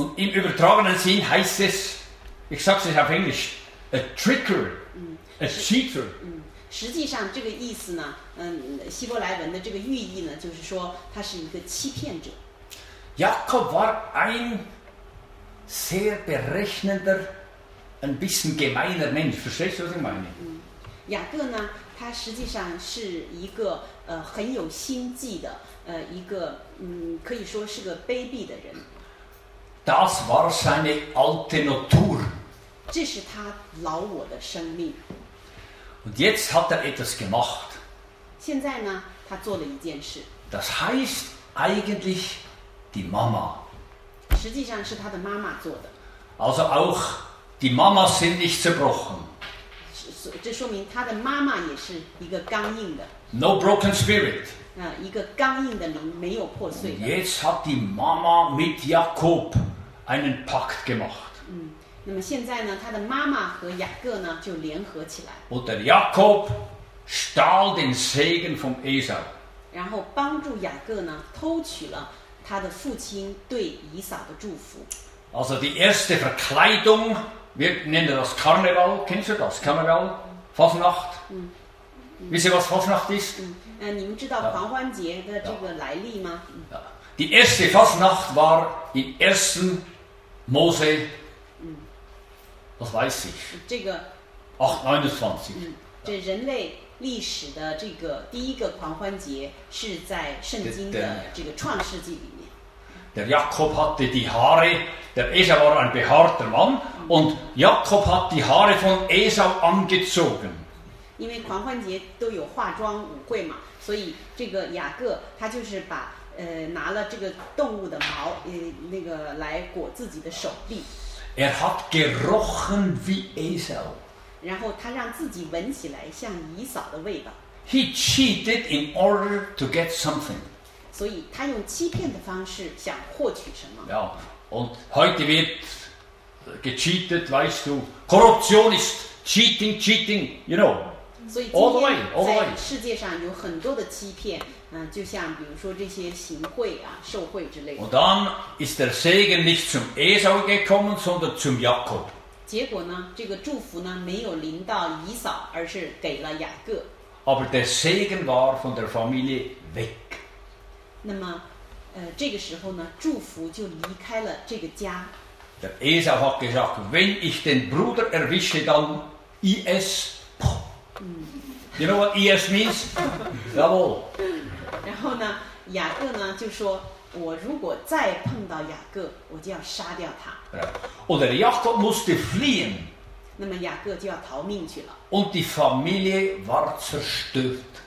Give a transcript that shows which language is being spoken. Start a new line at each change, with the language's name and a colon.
German: Und im übertragenen Sinn heißt es, ich sage es auf Englisch,
English: a tricker, a cheater.
Chinese: 实际上这个意思呢，希伯来文的这个寓意呢，就是说他是一个欺骗者。
German: Jakob war ein sehr berechnender, ein bisschen gemeiner Mensch. Verstehst du, was ich meine?
Chinese: 雅各呢他实际上是一个很有心计的一个可以说是个卑鄙的人。
German: Das war seine alte Natur.
Chinese: 这是他老我的生命。
German: Und jetzt hat er etwas gemacht.
Chinese: 现在呢他做了一件事。
German: Das heißt eigentlich die Mama.
Chinese: 实际上是他的妈妈做的。
German: Also auch die Mama sind nicht zerbrochen.
Chinese: 这说明他的妈妈也是一个刚硬的
English: No broken spirit
Chinese: 一个刚硬的灵没有破碎的
German: Jetzt hat die Mama mit Jakob einen Pakt gemacht
Chinese: 那么现在呢他的妈妈和雅各呢就联合起来
German: Und der Jakob stahl den Segen vom Esau
Chinese: 然后帮助雅各呢偷取了他的父亲对以扫的祝福
German: Also die erste VerkleidungWir nennen das Karneval, kennst du das? Karneval, Fasnacht. Wisst ihr, was Fasnacht ist?
Chinese: 你们知道狂欢节的这个来历吗？
German: Die erste Fasnacht war in 1. Mose, was weiß ich?
Chinese: 这个 829. 这人类历史的这个第一个狂欢节是在圣经的这个创世纪里面。
German: Der Jakob hatte die Haare, der Esau war ein behaarter Mann, und Jakob hat die Haare von Esau angezogen.
Chinese: 因为狂欢节都有化妆舞会嘛，所以这个雅各他就是把拿了这个动物的毛那个来裹自己的手臂。
German: Er hat gerochen wie Esau.
Chinese: 然后他让自己闻起来像以扫的味道。
English: He cheated in order to get something.
Chinese: 所以他用欺骗的方式想获取什么。
German: Ja, und heute wird gecheatet, weißt du, Korruption ist cheating,
English: cheating, you know.
Chinese: 所以今天在世界上有很多的欺骗，就像比如说这些行贿啊、受贿之类的。
German: Und dann ist der Segen nicht zum Esau gekommen, sondern zum Jakob.
Chinese: 结果呢，这个祝福呢没有临到以扫，而是给了雅各。
German: Aber der Segen war von der Familie weg.
Chinese: 那么，这个时候呢，祝福就离开了这个家。
German: Der Esau hat gesagt, wenn ich den Bruder erwische, dann IS.
English: You know what IS means? Jawohl.
Chinese: 然后呢，雅各呢就说，我如果再碰到雅各，我就要杀掉他。
German: Und der Jakob musste fliehen.
Chinese: 那么雅各就要逃命去了。
German: Und die Familie war zerstört.